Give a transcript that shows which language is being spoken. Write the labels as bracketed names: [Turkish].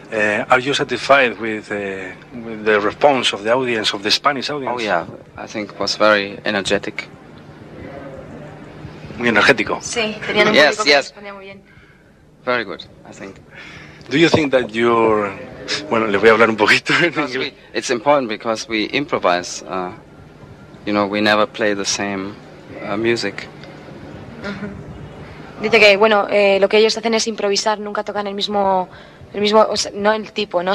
[English] Are you satisfied with the response of the audience, of the Spanish audience? Oh yeah, I think it was very energetic. [Spanish] Muy energético. Sí, tenían un público que respondía muy bien. [English] Very good, I think. Do you think that you're... [Spanish] Bueno, le voy a hablar un poquito. [English] It's important because we improvise. You know, we never play the same music. [Spanish] Dice que, bueno, lo que ellos hacen es improvisar, nunca tocan el mismo, o sea, no el tipo, ¿no?